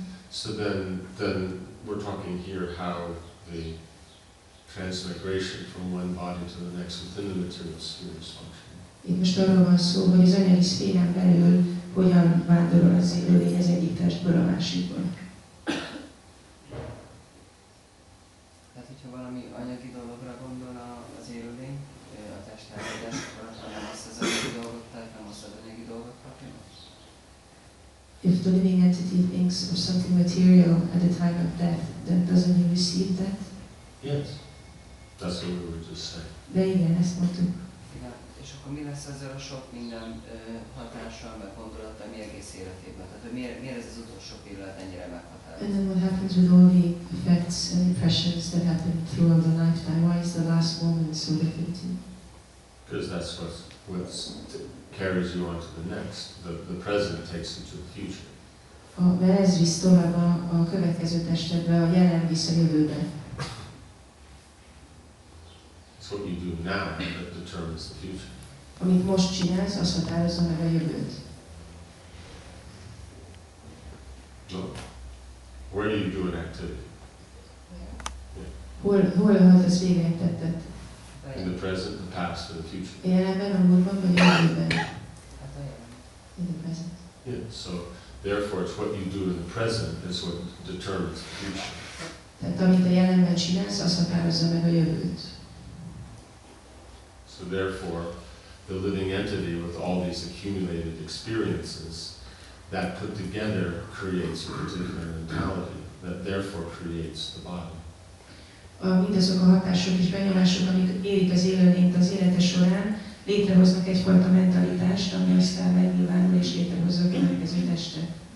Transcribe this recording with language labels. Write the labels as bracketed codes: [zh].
[en] So then we're talking here how the transmigration from one body to the next within the material sphere is functioning. [hu] Most arról van szó, hogy az anyagi szférán belül hogyan vándorol az élőlény az egyik testből a másikba. Tehát, hogyha valami anyagi dologra gondol az élőlény, a test elvédés, akkor nem azt az anyagi dolgot, tehát nem azt az anyagi dolgot kapja. [en] If the living entity thinks of something material at the time of death, then doesn't he receive that? Yes, that's what we were just saying. [hu] De igen, ezt mondtuk. És akkor mi lesz ezzel a sok minden hatással, meg gondolattal, mi egész életében? Tehát miért ez az utolsó pillanat ennyire meghatározó? [en] And then what happens with all the effects and impressions that happen throughout the lifetime? Why is the last moment so definitive? Because that's what carries you on to the next. The present takes you to the future. [hu] Mert ez visz tovább a következő testedbe, a jelen visz a jövőbe. [en] It's what you do now that determines the future. [hu] Amit most csinálsz, az határozza meg a jövőt. [en] No. Where do you do an activity? Yeah. [hu] Hol haltasz végre egy tettet? [en] In the present, the past, or the future? [hu] Jelenben, a múltban, vagy a jövőben? [en] In the present. Yeah, so therefore it's what you do in the present is what determines the future. [hu] Tehát amit a jelenben csinálsz, az határozza meg a jövőt. [en] So therefore, the living entity with all these accumulated experiences that put together creates a particular mentality that therefore creates the body. [hu] Mindazok a hatások és benyomások, amik érik az élőlényt az élete során, létrehoznak egyfajta mentalitást, ami aztán megnyilvánul és létrehozza a következő testet.